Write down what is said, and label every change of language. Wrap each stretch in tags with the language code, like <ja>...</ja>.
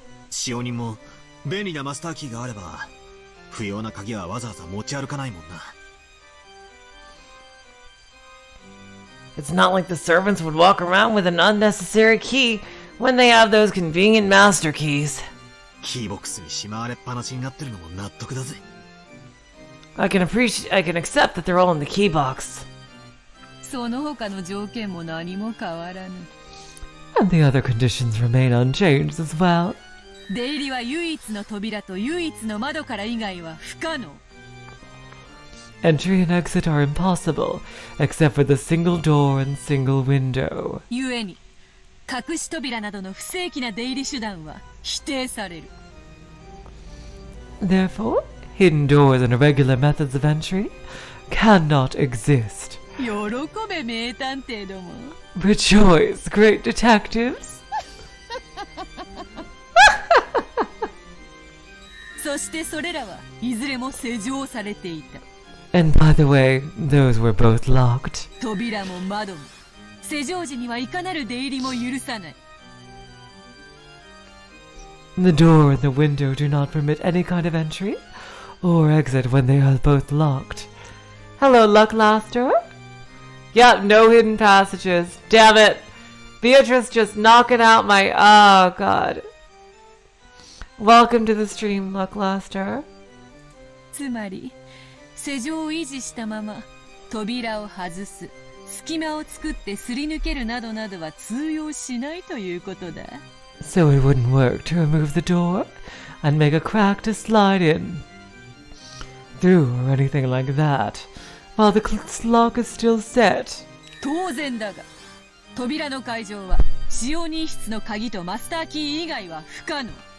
<ja>使用人も便利なマスターキーがあれば不要な鍵はわざわざ持ち歩かないもんな。</ja> <en>It's not like the servants would walk around with an unnecessary key when they have those convenient master keys.</en> <ja>キーボックスにしまわれっぱなしになってるのも納得だぜ。</ja> <en>I can accept that they're all in the key box.</en> <ja>その他の条件も何も変わらぬ。</ja> <en>And the other conditions remain unchanged as well.</en> <ja>出入りは唯一の扉と唯一の窓から以外は不可能。</ja> <en>Entry and exit are impossible, except for the single door and single window.</en> <ja>故に、隠し扉などの不正規な出入り手段は否定される。</ja> <en>Therefore, hidden doors and irregular methods of entry cannot exist.</en> <ja>喜べ、名探偵ども。</ja> <en>Rejoice, great detectives!</en> <ja>そしてそれらはいずれも施錠されていた。</ja> <en>And by the way, those were both locked.</en> <ja>扉も窓も、施錠時にはいかなる出入りも許さない。</ja> <en>The door and the window do not permit any kind of entry or exit when they are both locked. Hello, Lucklaster? Yep, no hidden passages. Damn it! Beatrice just knocking out my... Oh, God. Welcome to the stream, Lucklaster.</en> <ja>つまり施錠を維持したまま扉を外す、隙間を作ってすり抜けるなどなどは通用しないということだ。</ja> <en>So it wouldn't work to remove the door and make a crack to slide in through or anything like that while the lock is still set.</en> <ja>当然だが、扉の解錠は使用人室の鍵とマスターキー以外は不可能。</ja>